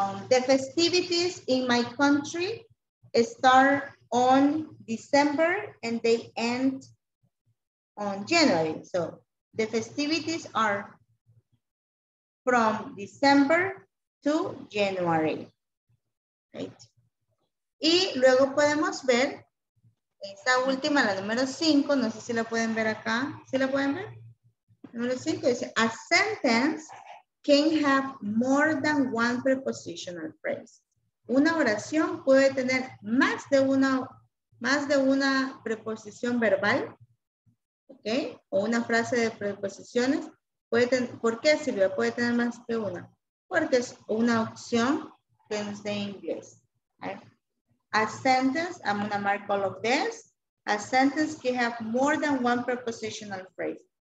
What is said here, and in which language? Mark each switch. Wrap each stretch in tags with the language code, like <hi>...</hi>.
<en>The festivities in my country start on December and they end on January. So the festivities are from December to January. Right?</en> <es>Y luego podemos ver esta última, la número 5. No sé si la pueden ver acá. ¿Sí la pueden ver? Número 5 dice,</es> <en>a sentence can have more than one prepositional phrase.</en> <es>Una oración puede tener más de una preposición verbal, ¿ok? O una frase de preposiciones. ¿Por qué, Silvia? Puede tener más de una. Porque es una opción que es de inglés.</es> <en>A sentence, I'm going to mark all of this. A sentence can have more than one prepositional phrase.</en>